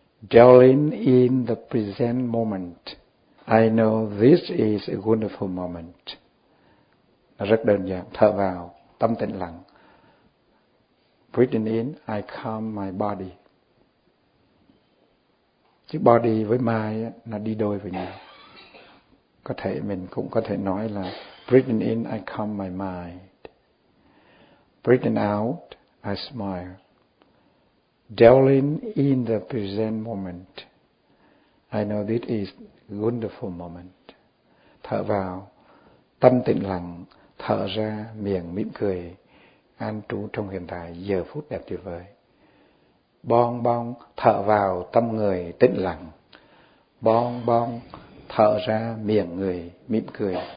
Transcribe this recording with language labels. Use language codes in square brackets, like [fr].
[en] Dwelling in the present moment, I know this is a wonderful moment. [vi] Rất đơn giản, thở vào, tâm tĩnh lặng. [en] Breathing in, I calm my body. [vi] Chứ body với mind nó đi đôi với nhau. Có thể mình cũng có thể nói là [en] breathing in, I calm my mind. Breathing out, I smile. Dwelling in the present moment, I know this is a wonderful moment. [vi] Thở vào, tâm tĩnh lặng. Thở ra miệng mỉm cười, an trú trong hiện tại, giờ phút đẹp tuyệt vời. Bon bon, thở vào tâm người tĩnh lặng. Bon bon, thở ra miệng người mỉm cười.